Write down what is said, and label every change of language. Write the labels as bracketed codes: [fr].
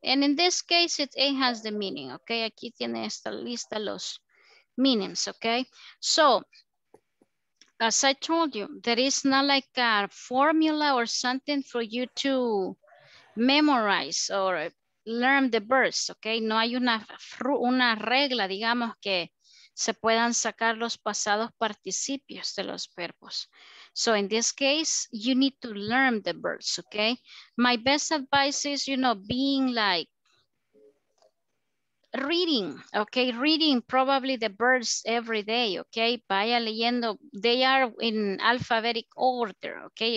[en] And in this case, it has the meaning, okay? [es] Aquí tiene esta lista los [en] meanings, okay? So, as I told you, there is not like a formula or something for you to memorize or learn the verbs, okay? [es] No hay una regla, digamos, que se puedan sacar los pasados participios de los verbos. [en] So in this case, you need to learn the verbs, okay? My best advice is, you know, being like reading, okay? Reading probably the verbs every day, okay? [es] Vaya leyendo, [en] they are in alphabetic order, okay?